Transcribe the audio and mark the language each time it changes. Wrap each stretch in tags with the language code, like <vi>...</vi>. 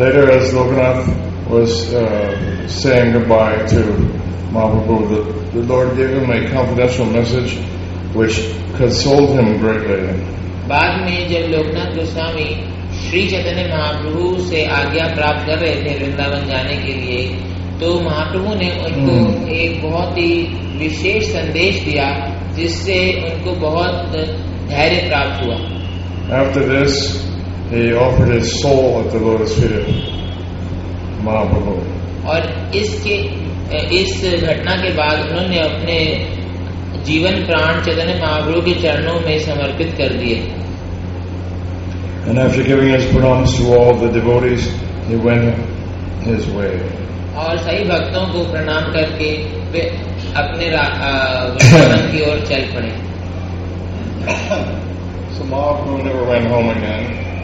<en>Later, as Lokanath was saying goodbye to Mahaprabhu, the Lord gave him a confidential message which consoled him greatly.</en> <hi>बाद में जब लोकनाथ गोस्वामी श्री चैतन्य महाप्रभु से आज्ञा प्राप्त कर रहे थे वृंदावन जाने के लिए, तो महाप्रभु ने उनको एक बहुत ही विशेष संदेश दिया जिससे उनको बहुत धैर्य प्राप्त हुआ.</hi> <en>After this, he offered his soul at the lotus feet of Mahaprabhu.</en> <hi>और इस घटना के बाद उन्होंने अपने जीवन प्राण चैतन्य महाप्रभु के चरणों में समर्पित कर दिए.</hi> <en>And after giving his pranams to all the devotees, he went his way.</en> <hi>और सही भक्तों को प्रणाम करके वे अपने वृंदावन की ओर चल पड़े.</hi> <en>So Mahaprabhu never went home again.</en>